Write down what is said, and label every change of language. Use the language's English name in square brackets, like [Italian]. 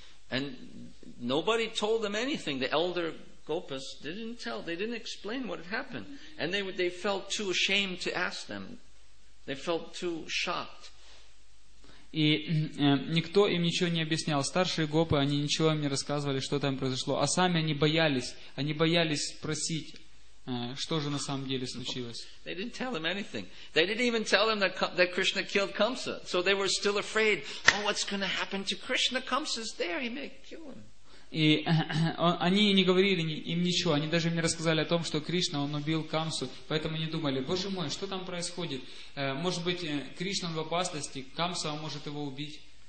[English] And nobody told them anything. The elder gopas didn't tell. They didn't explain what had happened. And they felt too ashamed to ask them. They felt too shocked. [Russian] И никто им ничего не объяснял. Старшие гопы, они ничего им не рассказывали, что там произошло. А сами они боялись. Они боялись спросить, что же на самом деле случилось. [English] They didn't tell them anything. They didn't even tell them that Krishna killed Kamsa. So they were still afraid. Oh, what's going to happen to Krishna? Kamsa's there. He may kill him. [Russian] И они не говорили им ничего, они даже не рассказали о том, что Кришна, он убил Камсу, поэтому они думали, боже мой, что там происходит? Может быть, Кришна в опасности, Камса может его убить.